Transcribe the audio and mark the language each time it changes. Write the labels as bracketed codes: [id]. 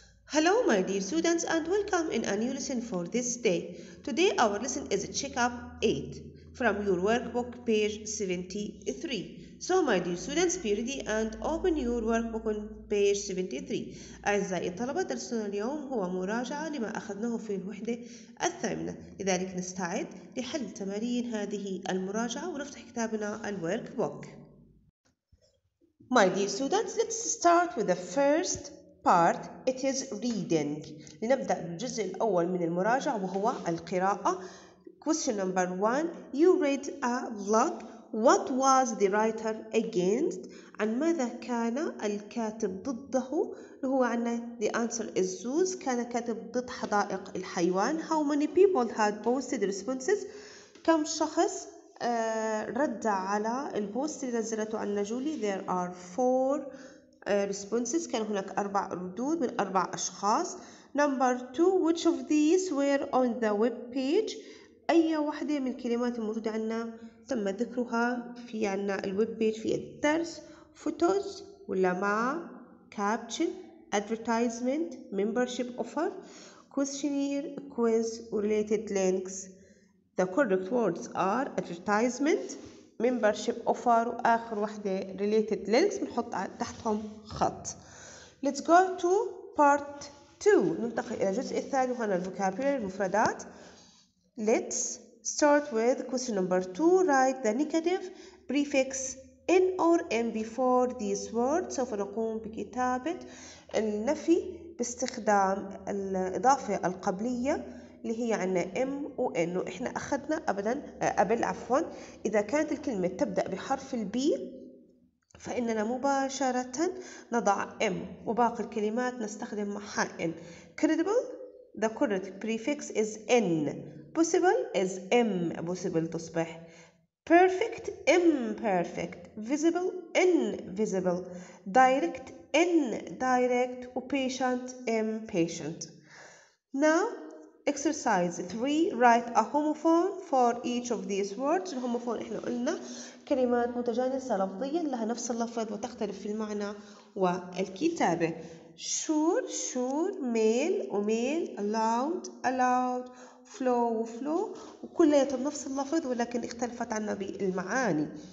[en] Hello, my dear students, and welcome in a new lesson for this day. Today, our lesson is Checkup 8 from your workbook, page 73. So, my dear students, be ready and open your workbook on page 73. [ar] أعزائي الطلبة، درسنا اليوم هو مراجعة لما أخذناه في الوحدة الثامنة. لذلك نستعد لحل تمارين هذه المراجعة ونفتح كتابنا الworkbook. [en] My dear students, let's start with the first part. It is reading. [ar] لنبدأ بالجزء الأول من المراجعة وهو القراءة. [en] Question number one. You read a blog. What was the writer against? [ar] عن ماذا كان الكاتب ضده؟ هو عنا [en] the answer is zoos. [ar] كان كاتب ضد حدائق الحيوان. [en] How many people had posted responses? [ar] كم شخص رد على البوست اللي نزلته عنا جولي؟ [en] There are four responses. [ar] كان هناك أربع ردود من أربع أشخاص. [en] Number two. Which of these were on the web page? [ar] أي واحدة من الكلمات الموجودة عنا تم ذكرها في عنا الويب بيج في الدرس؟ Photos ولا مع [en] caption, advertisement, membership offer, questionnaire, quiz, related links. The correct words are advertisement, membership offer [ar] وآخر واحدة [en] related links. [ar] بنحط تحتهم خط. [en] Let's go to part 2. [ar] ننتقل إلى الجزء الثاني وهنا الفوكابيولاري المفردات. [en] Let's start with question number 2. Write the negative prefix in or in before these words. [ar] سوف نقوم بكتابة النفي باستخدام الإضافة القبلية اللي هي عنا M و N. وإحنا أخذنا قبل إذا كانت الكلمة تبدأ بحرف ال B فإننا مباشرة نضع M وباقي الكلمات نستخدم معها N. [en] Credible, the correct prefix is N. Possible is M. Possible تصبح Perfect, imperfect. Visible, invisible. Direct, indirect. Patient, impatient. Now, exercise 3. Write a homophone for each of these words. [ar] الهوموفون إحنا قلنا كلمات متجانسة لفظيا لها نفس اللفظ وتختلف في المعنى والكتابة. [en] Sure, sure. Male, male. Allowed, allowed. Flow, flow. [ar] وكلها نفس اللفظ ولكن اختلفت عنا بالمعاني.